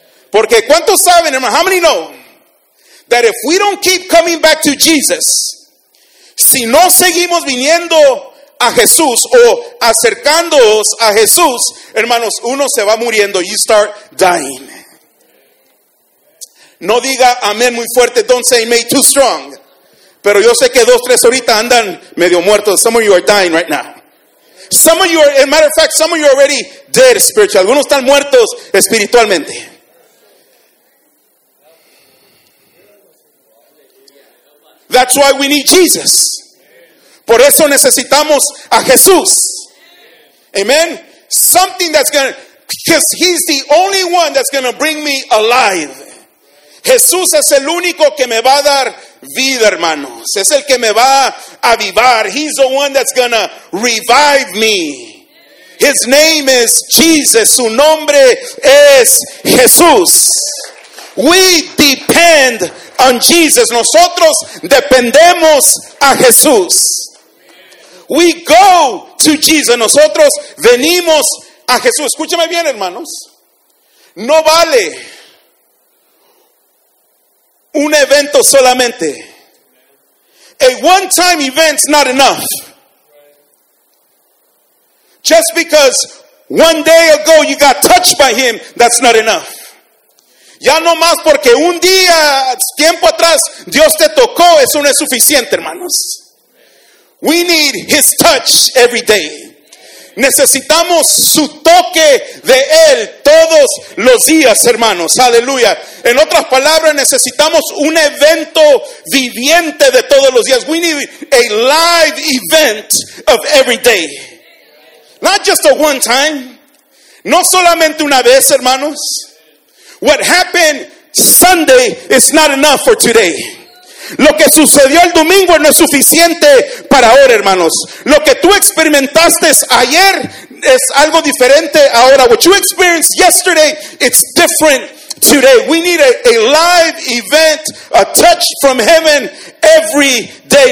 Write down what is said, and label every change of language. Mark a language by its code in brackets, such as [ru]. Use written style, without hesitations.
[es] Porque ¿cuántos saben, hermanos? [en] How many know that if we don't keep coming back to Jesus, [es] si no seguimos viniendo a Jesús o acercándonos a Jesús, hermanos, uno se va muriendo. [en] You start dying. [es] No diga amén muy fuerte. [en] Don't say amen too strong. [es] Pero yo sé que dos, tres ahorita andan medio muertos. [en] Some of you are dying right now. Some of you are, as a matter of fact, some of you are already dead spiritually. [es] Algunos están muertos espiritualmente. [en] That's why we need Jesus. [es] Por eso necesitamos a Jesús. [en] Amen. Something that's going to, because He's the only one that's going to bring me alive. [es] Jesús es el único que me va a dar vida, hermanos. Es el que me va a avivar. [en] He's the one that's going to revive me. His name is Jesus. [es] Su nombre es Jesús. [en] We depend on Jesus. [es] Nosotros dependemos a Jesús. [en] We go to Jesus. Nosotros venimos a Jesús. Escúcheme bien, hermanos. [es] No vale un evento solamente. A [en] one-time event's not enough. Just because one day ago you got touched by him, that's not enough. [es] Ya no más porque un día, tiempo atrás, Dios te tocó, eso no es suficiente, hermanos. [en] We need his touch every day. [es] Necesitamos su toque de él todos los días, hermanos. Aleluya. En otras palabras, necesitamos un evento viviente de todos los días. [en] We need a live event of every day. Not just a one time. [es] No solamente una vez, hermanos. [en] What happened Sunday is not enough for today. [es] Lo que sucedió el domingo no es suficiente para ahora, hermanos. Lo que tú experimentaste ayer es algo diferente ahora. [en] What you experienced yesterday, it's different today. We need a live event, a touch from heaven every day.